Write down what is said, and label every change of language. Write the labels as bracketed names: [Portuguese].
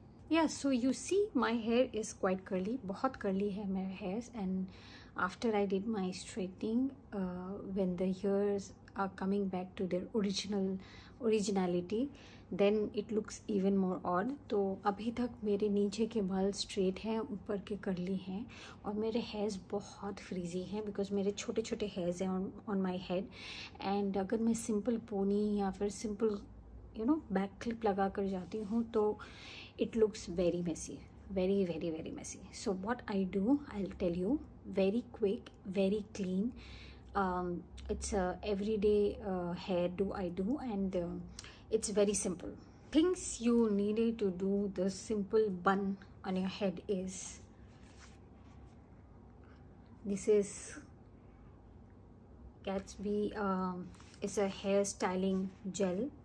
[English] Yeah, so you see my hair is quite curly, [Hindi] bahut curly hai [English] my hair, and after I did my straightening, when the hairs are coming back to their originality, then it looks even more odd. [Hindi] तो अभी तक मेरे नीचे के बाल straight हैं, ऊपर के कर्ली हैं और मेरे हेयर्स बहुत फ्रीजी हैं बिकॉज मेरे छोटे छोटे हेयर्स हैं [English] On my head. And अगर मैं simple pony या फिर simple you know back clip [Hindi] लगा कर जाती हूँ तो [English] It looks very messy, very very very messy. So what I do I will tell you very quick, very clean. It's a everyday hair do I do, and it's very simple. Things you needed to do the simple bun on your head is, this is Gatsby, it's a hair styling gel.